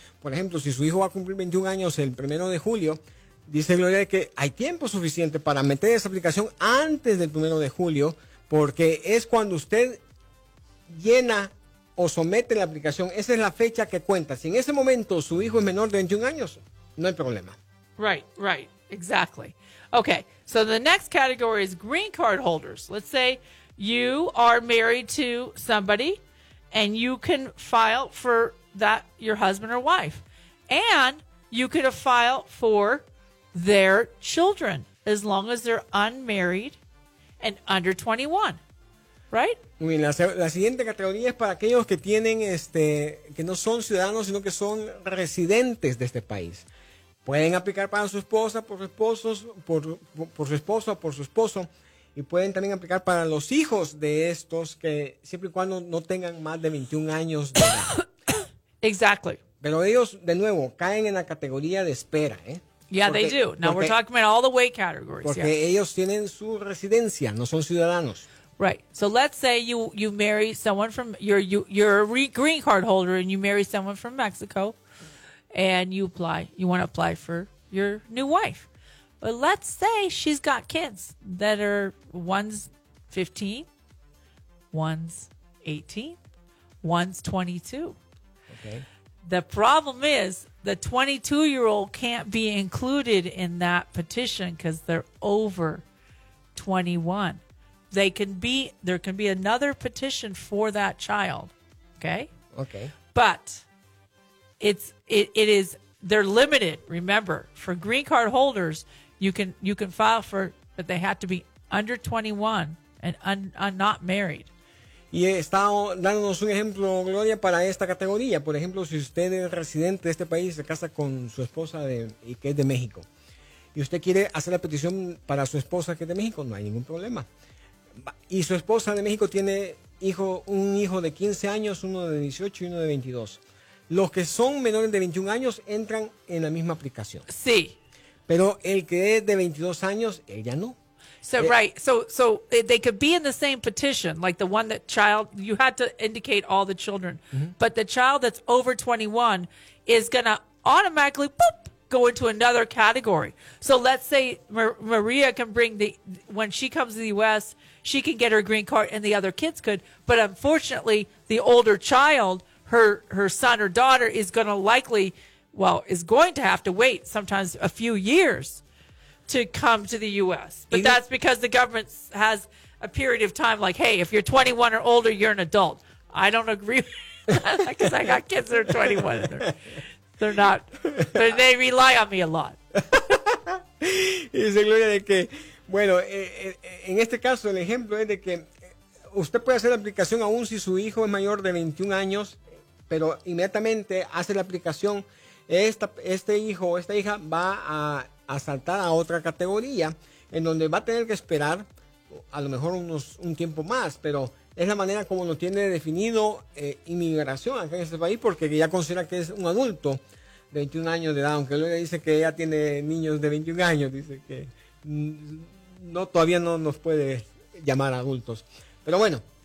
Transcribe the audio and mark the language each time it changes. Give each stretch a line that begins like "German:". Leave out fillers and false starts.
Spanish: Por ejemplo, si su hijo va a cumplir 21 años el 1 de julio, dice Gloria que hay tiempo suficiente para meter esa aplicación antes del 1 de julio, porque es cuando usted llena o somete la aplicación. Esa es la fecha que cuenta. Si en ese momento su hijo es menor de 21 años, no hay problema.
English: Right, right, exactly. Okay, so the next category is green card holders. Let's say you are married to somebody and you can file for that, your husband or wife. And you could have filed for their children as long as they're unmarried and under 21, right?
Spanish: Muy bien, la siguiente categoría es para aquellos que tienen que no son ciudadanos, sino que son residentes de este país. Pueden aplicar para su esposa, por su esposo, por su esposa, por su esposo. Y pueden también aplicar para los hijos de estos que siempre y cuando no tengan más de 21 años de edad.
English: Exactly.
Spanish: Pero ellos, de nuevo, caen en la categoría de espera, ¿eh?
English: Yeah,
Spanish: porque,
English: they do. Now
Spanish: porque,
English: we're talking about all the wait categories.
Spanish: Porque
English: yeah.
Spanish: Ellos tienen su residencia, no son ciudadanos.
English: Right. So let's say you marry someone from, you're a green card holder and you marry someone from Mexico. And you want to apply for your new wife. But let's say she's got kids that are, one's 15, one's 18, one's 22. Okay. The problem is the 22-year-old can't be included in that petition because they're over 21. There can be another petition for that child. Okay? Okay. But It is, they're limited. Remember, for green card holders, you can file for, but they have to be under 21 and not married.
Spanish: Y he estado dándonos un ejemplo, Gloria, para esta categoría. Por ejemplo, si usted es residente de este país, se casa con su esposa y que es de México, y usted quiere hacer la petición para su esposa que es de México, no hay ningún problema. Y su esposa de México tiene un hijo de 15 años, uno de 18 y uno de 22. Los que son menores de 21 años entran en la misma aplicación. Sí. Pero el que es de 22 años, él ya no.
English: So, right. So they could be in the same petition, like the one that child, you had to indicate all the children. Mm-hmm. But the child that's over 21 is going to automatically, boop, go into another category. So let's say Maria can bring when she comes to the U.S., she can get her green card and the other kids could. But unfortunately, the older child, her son or daughter is going to have to wait sometimes a few years to come to the U.S. But that's because the government has a period of time like, hey, if you're 21 or older, you're an adult. I don't agree because I got kids that are 21. And they're not. But they rely on me a lot.
Spanish: Y dice Gloria de que, bueno, en este caso, el ejemplo es de que usted puede hacer la aplicación aún si su hijo es mayor de 21 años. Pero inmediatamente hace la aplicación, este hijo o esta hija va a saltar a otra categoría en donde va a tener que esperar a lo mejor un tiempo más, pero es la manera como lo tiene definido inmigración acá en este país, porque ya considera que es un adulto de 21 años de edad, aunque luego dice que ella tiene niños de 21 años, dice que no, todavía no nos puede llamar adultos, pero bueno.